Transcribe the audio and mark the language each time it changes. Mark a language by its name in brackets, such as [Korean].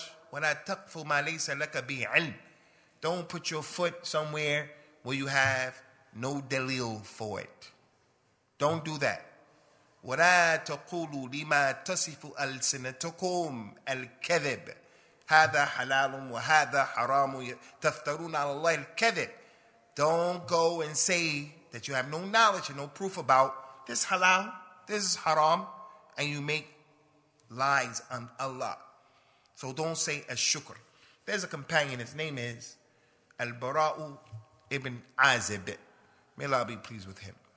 [English] When I [Arabic] taqfu ma laysa laka bihi ilm, [English] don't put your foot somewhere where you have no dalil for it. Don't do that. [Arabic] ولا تقولوا لما تصف ألسنتكم الكذب هذا حلال وهذا حرام تفترون على الله الكذب. [English] Don't go and say that you have no knowledge and no proof about this halal, this is haram, and you make lies on Allah. So don't say ash-shukr. There's a companion, his name is Al-Bara'u ibn Azib. May Allah be pleased with him.